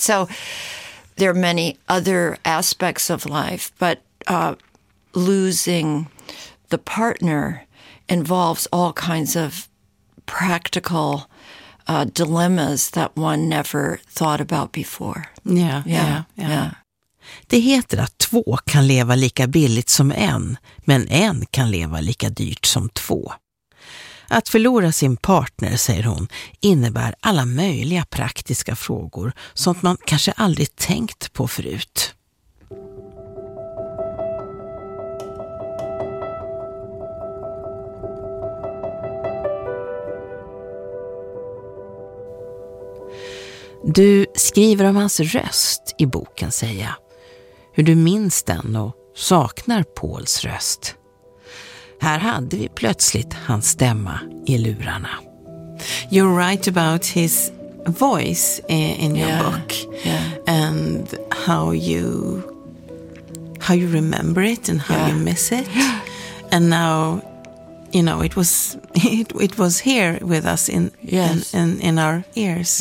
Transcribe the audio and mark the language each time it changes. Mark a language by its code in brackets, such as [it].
[en] So there are many other aspects of life, but losing the partner involves all kinds of practical dilemmas that one never thought about before. Yeah. [sv] Det heter att två kan leva lika billigt som en, men en kan leva lika dyrt som två. Att förlora sin partner, säger hon, innebär alla möjliga praktiska frågor som man kanske aldrig tänkt på förut. Du skriver om hans röst i boken, säger jag. Hur du minns den och saknar Pauls röst. Här hade vi plötsligt hans stämma i lurarna. [en] You write about his voice in your book. Yeah. And how you remember it and how you miss it. Yeah. And now, you know, it was here with us in our ears.